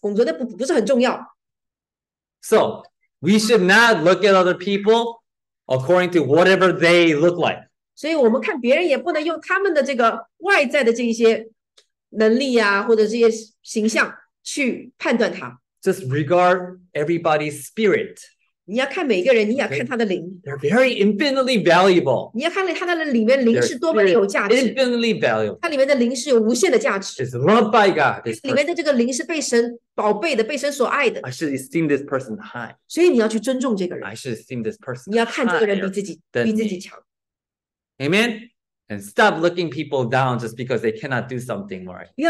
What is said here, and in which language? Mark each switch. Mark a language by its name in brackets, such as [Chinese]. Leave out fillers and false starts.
[Chinese] 你的灵是最重要的。这个外面是捏成了杯子还是捏成了锅，那是神的工作，那不是很重要。So, [English] we should not look at other people according to whatever they look like. [Chinese] 所以我们看别人也不能用他们的这个外在的这些能力啊，或者这些形象去判断他。 [English] Just regard everybody's spirit. [Chinese] 你要看每个人，你要看他的灵。 [English] They're very infinitely valuable. [Chinese] 你要看他的里面灵是多么有价值。 [English] Infinitely valuable. [Chinese] 他里面的灵是有无限的价值。 [English] It's loved by God. [Chinese] 里面的这个灵是被神宝贝的，被神所爱的。 [English] I should esteem this person high. [Chinese] 所以你要去尊重这个人。 [English] I should esteem this person. [Chinese] 你要看这个人比自己强。 [English] Amen. And stop looking people down just because they cannot do something right.